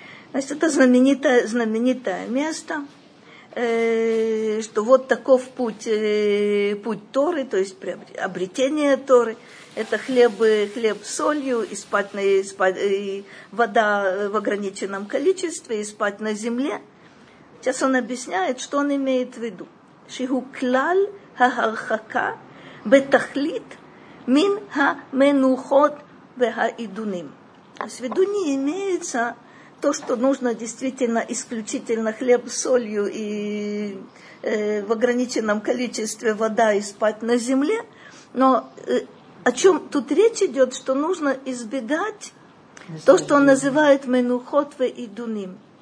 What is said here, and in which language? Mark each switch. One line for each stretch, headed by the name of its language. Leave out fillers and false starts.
Russian: Значит, это знаменитое место, что вот таков путь Торы, то есть обретение Торы. Это хлеб с солью, и вода в ограниченном количестве, и спать на земле. Сейчас он объясняет, что он имеет в виду.
Hebrew: שהוא כלל ההרחקה בתכלית מן המנוחות והעידונים. אז ודוני
Russian: имеется то, что нужно действительно исключительно хлеб с солью и в ограниченном количестве вода и спать на земле. Но о чем тут речь идет, что нужно избегать то, что он называет менухот ваидуним.